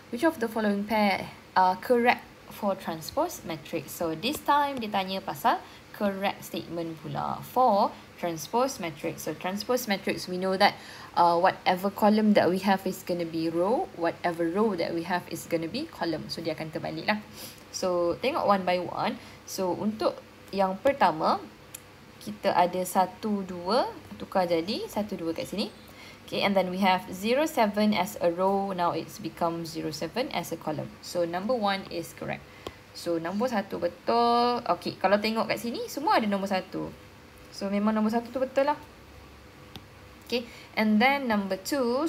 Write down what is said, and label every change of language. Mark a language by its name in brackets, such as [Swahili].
[English] Which of the following pair are correct for transpose matrix? [Malay] So this time dia tanya pasal correct statement pula [English] for transpose matrix. So transpose matrix, we know that whatever column that we have is going to be row. Whatever row that we have is going to be column. [Malay] So dia akan terbalik lah. So tengok [English] one by one. [Malay] So untuk yang pertama, kita ada 1, 2. Tukar jadi 1, 2 kat sini. [English] Okay, and then we have 0, 7 as a row. Now it's become 0, 7 as a column. So number 1 is correct. [Malay] So number 1 betul. Okay, kalau tengok kat sini, semua ada number 1. So memang number 1 tu betul lah. [English] Okay, and then number 2.